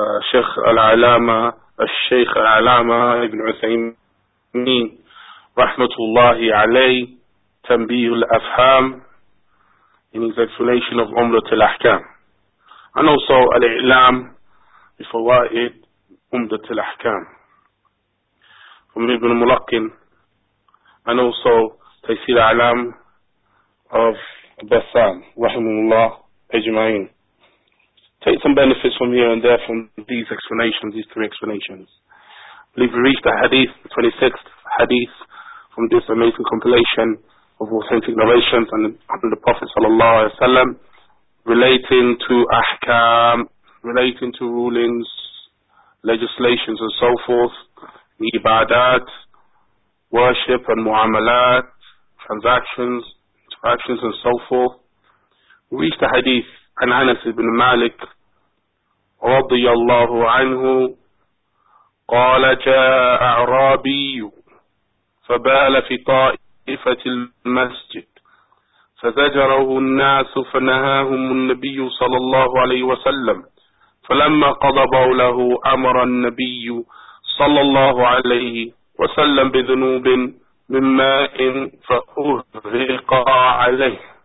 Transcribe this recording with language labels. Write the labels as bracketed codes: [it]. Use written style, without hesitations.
[ar] Sheikh Al-Alama, الشيخ العلامة ابن عثيمين رحمة الله عليه، تنبيه الأفهام [en] in his explanation of [ar] أمرة الأحكام [en] and also [ar] الإعلام بفوائد أمرة الأحكام [en] from [ar] ابن الملقن [en] and also [ar] تيسير العلام [en] of [ar] بسام رحمه الله أجمعين. [en] Take some benefits from here and there from these explanations, these three explanations. We've reached the hadith, the 26th hadith from this amazing compilation of authentic narrations on the Prophet sallallahu alaihi wasallam, relating to ahkam, relating to rulings, legislations and so forth, ibadat, worship and muamalat, transactions, interactions and so forth. We reached the hadith an [ar] Anas ibn Malik رضي الله عنه قال جاء أعرابي فبال في طائفة المسجد فزجره الناس فنهاهم النبي صلى الله عليه وسلم، فلما قضى بوله أمر النبي صلى الله عليه وسلم بذنوب من ماء فأهرق عليه.